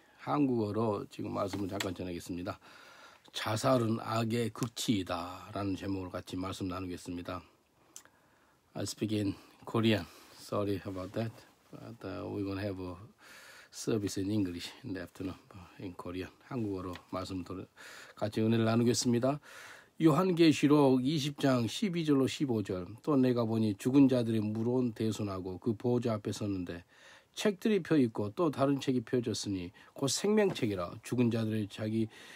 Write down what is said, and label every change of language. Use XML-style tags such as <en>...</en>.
<ko>한국어로 지금 말씀을 잠깐 전하겠습니다. 자살은 악의 극치이다 라는 제목으로 같이 말씀 나누겠습니다.</ko> <en>I speak in Korean. Sorry about that. But we're going to have a service in English in the afternoon in Korean.</en> <ko>한국어로 말씀 같이 은혜를 나누겠습니다. 요한계시록 20장 12절로 15절 또 내가 보니 죽은 자들이 무거운 대손하고 그 보좌 앞에 섰는데 책들이 펴있고 또 다른 책이 펴졌으니 곧 생명책이라 죽은 자들의 자기</ko>